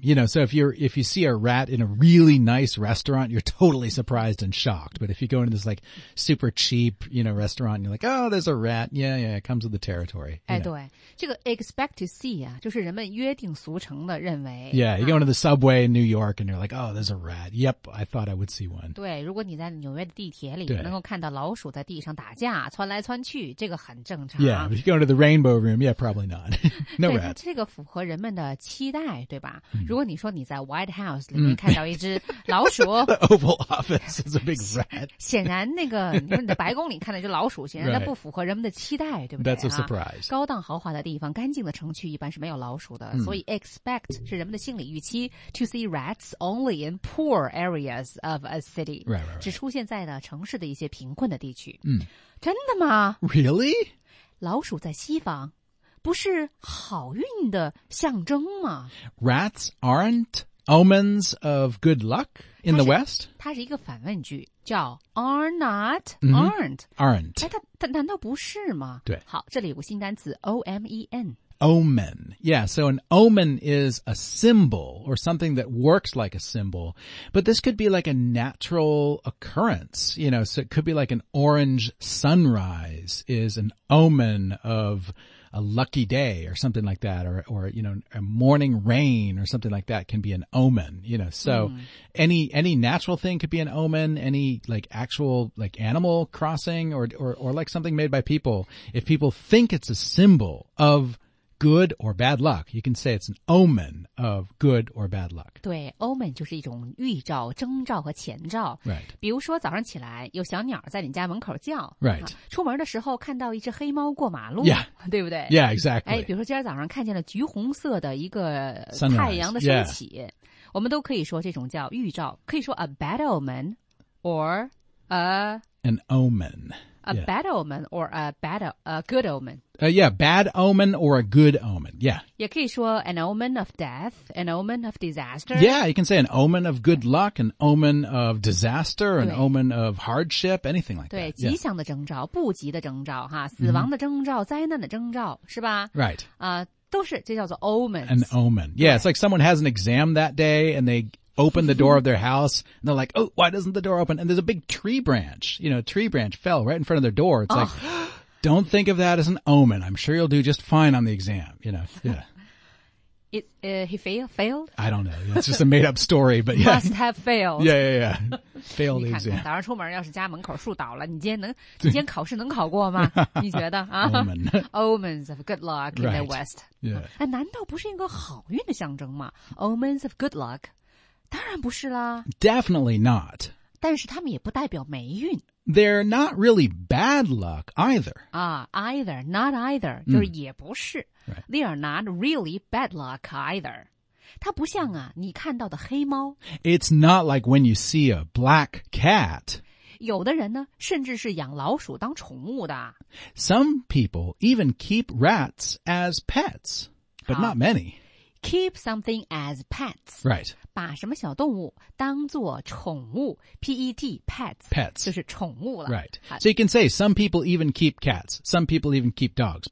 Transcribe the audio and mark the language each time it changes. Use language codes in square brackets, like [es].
[en] You know, so if you see a rat in a really nice restaurant, you're totally surprised and shocked. But if you go into this like super cheap, you know, restaurant, you're like, oh, there's a rat. Yeah, yeah, it comes with the territory. [zh] 哎，对，这个 [en] expect to see [zh] 啊，就是人们约定俗成的认为。 [en] Yeah, you go into the subway in New York and you're like, oh, there's a rat. Yep, I thought I would see one. [zh] 对，如果你在纽约的地铁里能够看到老鼠在地上打架，窜来窜去，这个很正常。 [en] Yeah, if you go into the Rainbow room, yeah, probably not. No rats. [zh] 这个符合人们的期待，对吧？如果你说你在 White House 里面看到一只老鼠 [en] ，The Oval Office is a big rat. [zh] 显然，那个你说你在白宫里看到一只老鼠，显然它不符合人们的期待，对不对 [en] ？That's a surprise. [zh] 高档豪华的地方，干净的城区一般是没有老鼠的。所以 [en] expect [zh] 是人们的心理预期 [en] to see rats only in poor areas of a city. Right. [zh] 只出现在呢城市的一些贫困的地区。真的吗 [en] ？Really? [zh] 老鼠在西方不是好运的象征吗 [en] Rats aren't omens of good luck in the West? [zh] 它是一个反问句叫 [en] are not, aren't.、 aren't. [zh] 哎、它难道不是吗对。好这里有个新单词 ,omen。 [en] Omen. Yeah, so an omen is a symbol or something that works like a symbol. But this could be like a natural occurrence, you know, so it could be like an orange sunrise is an omen of a lucky day or something like that. Or, you know, a morning rain or something like that can be an omen, you know. So any natural thing could be an omen, any like actual like animal crossing or like something made by people. If people think it's a symbol of good or bad luck. You can say it's an omen of good or bad luck. [zh] 对 ,omen 就是一种预兆、征兆和前兆。 [en] Right. [zh] 比如说早上起来有小鸟在你家门口叫。 [en] Right. [zh] 出门的时候看到一只黑猫过马路。 [en] Yeah. [zh] 对不对 [en] ?Yeah, exactly. [zh] 哎比如说今天早上看见了橘红色的一个太阳的升起。 [en] Yeah. [zh] 我们都可以说这种叫预兆。可以说 [en] a bad omen or a... An omen. A bad omen or a good omen. Yeah, bad omen or a good omen. Yeah. 也可以说 an omen of death, an omen of disaster. Yeah, you can say an omen of good luck, an omen of disaster, an omen of hardship, anything like that. [zh] 对，吉祥的征兆，不吉的征兆，哈，死亡的征兆，灾难的征兆，是吧？ [en] Right. [zh] 都是，这叫做 omens. [en] An omen. Yeah, it's like someone has an exam that day and they... open the door of their house, and they're like, oh, why doesn't the door open? And there's a big tree branch, you know, a tree branch fell right in front of their door. It's like, don't think of that as an omen. I'm sure you'll do just fine on the exam, you know. Yeah. He failed? I don't know. It's just a made-up story, but yeah. Must have failed. Yeah, yeah, yeah. Failed the exam. [zh] 早上出门要是家门口树倒了，你今天考试能考过吗？你觉得啊 [en] ？Omen. Omens of good luck in the West. Yeah. [zh] 哎，难道不是一个好运的象征吗 ？ [en] Omens of good luck. [zh] 当然不是啦。 [en] Definitely not. [zh] 但是他们也不代表霉运。 [en] They're not really bad luck either. Either, not either, [zh] 就是也不是。 [en] Right. They are not really bad luck either. [zh] 它不像啊，你看到的黑猫。 [en] It's not like when you see a black cat. [zh] 有的人呢，甚至是养老鼠当宠物的。 [en] Some people even keep rats as pets, but not many. Keep something as pets. Right. [zh] 把什么小动物当作宠物 ,P-E-T, pets. [en] Pets. [zh] 就是宠物了。 [en] Right. So you can say some people even keep cats. Some people even keep dogs.